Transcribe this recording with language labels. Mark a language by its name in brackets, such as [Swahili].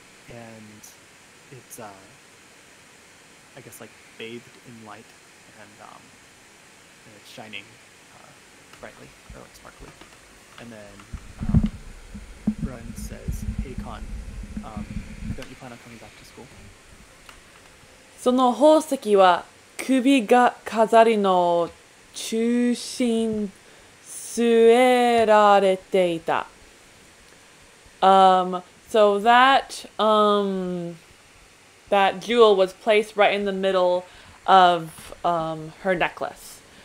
[English] And it's, I guess, like, bathed in light, and it's shining brightly, or like sparkly. And then Run says, "Hey, Con, don't you plan on coming back to school?" [Japanese] その宝石は首が飾りの中心据えられていた。 [English] That jewel was placed right in the middle of her necklace.